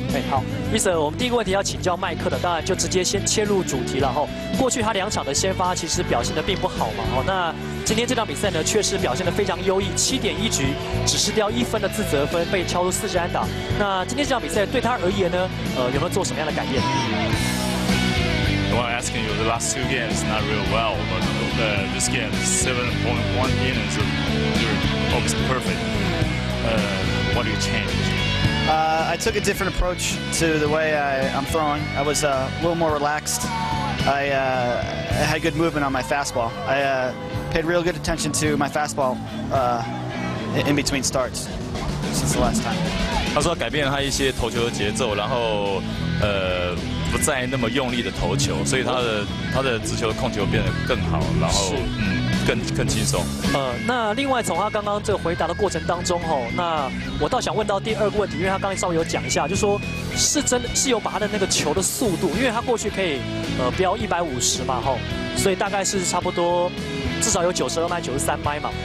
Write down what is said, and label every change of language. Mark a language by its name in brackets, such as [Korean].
[Chinese] 哎，好，伊舍，我们第一个问题要请教麦克的，当然就直接先切入主题了哈。过去他两场的先发其实表现的并不好嘛，哦，那今天这场比赛呢，确实表现的非常优异，7.1局只失掉一分的自责分，被敲出4支安打。那今天这场比赛对他而言呢，有没有做什么样的改变 [English] ？Well, asking you, the last two games not real well, but this game 7.1 innings almost perfect. What do you change? I took a different approach to the way I'm throwing. I was a little more relaxed. I had good movement on my fastball. I paid real good attention to my fastball in between starts since the last time. [Chinese] 他说改变了他一些投球的节奏，然后不再那么用力的投球，所以他的直球控球变得更好，然后更轻松。那另外从他刚刚这个回答的过程当中吼，那我倒想问到第二个问题，因为他刚才稍微有讲一下，就是说是有把他的那个球的速度，因为他过去可以飙150嘛吼，所以大概是差不多至少有92迈、93迈嘛。